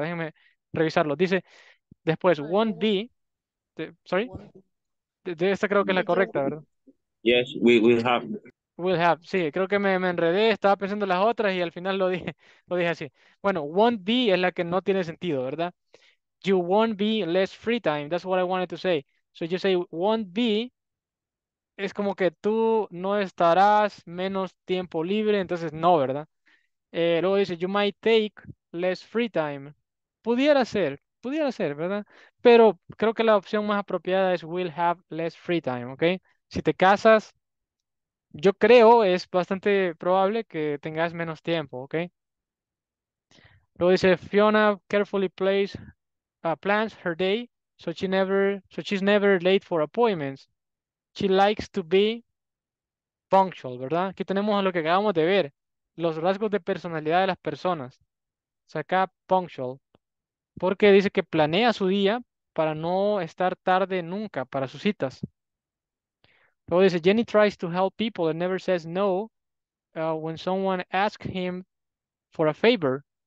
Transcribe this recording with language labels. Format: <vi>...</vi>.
<es>Déjenme revisarlo. Dice, después,</es> <en>won't be... Sorry?</en> <es>Esta creo que es la correcta, ¿verdad?</es> <en>Yes, we will have.</en> <es>Will have, sí, creo que me enredé, estaba pensando las otras y al final lo dije así. Bueno, won't be es la que no tiene sentido, ¿verdad?</es> <en>You won't be less free time, that's what I wanted to say. So you say won't be,</en> <es>es como que tú no estarás menos tiempo libre, entonces no, ¿verdad? Luego dice,</es> <en>you might take less free time.</en> <es>Pudiera ser, ¿verdad? Pero creo que la opción más apropiada es</es> <en>will have less free time,</en> <es>¿ok? Si te casas, yo creo es bastante probable que tengas menos tiempo, ¿ok? Luego dice,</es> <en>Fiona carefully plans her day so she's never late for appointments. She likes to be punctual, ¿verdad?</en> <es>Aquí tenemos lo que acabamos de ver, los rasgos de personalidad de las personas. O sea, acá punctual, porque dice que planea su día para no estar tarde nunca para sus citas. Luego dice,</es> <en>Jenny tries to help people and never says no when someone asks him for a favor.</en>